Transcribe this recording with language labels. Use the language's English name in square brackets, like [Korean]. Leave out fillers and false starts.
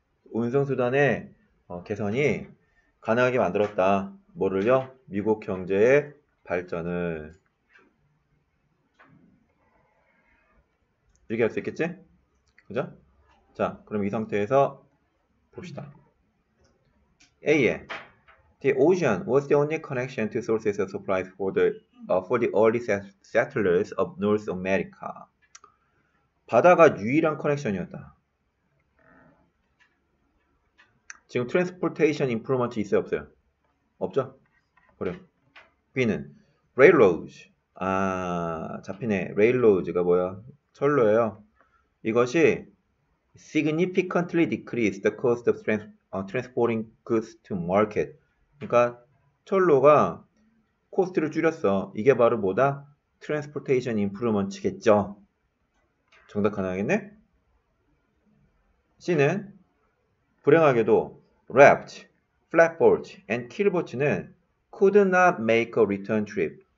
[Korean] 운송수단의 개선이 가능하게 만들었다. 뭐를요? 미국 경제의 발전을. 이렇게 할수 있겠지? 그죠? 자, 그럼 이 상태에서 봅시다. [English] A에 The ocean was the only connection to sources of supplies for the early settlers of North America. [Korean] 바다가 유일한 커넥션이었다. 지금 [English] Transportation Improvement [Korean] 있어요, 없어요? 없죠? 그래요. B는 Railroads. 아, 잡히네. Railroads가 뭐야? 철로예요. 이것이 [English] significantly decrease the cost of transporting goods to market. [Korean] 그러니까 철로가 코스트를 줄였어. 이게 바로 뭐다? [English] Transportation improvement [Korean] 겠죠. 정답 가능하겠네? C는 불행하게도 [English] wrapped, flatboard, and keelboat는 could not make a return trip.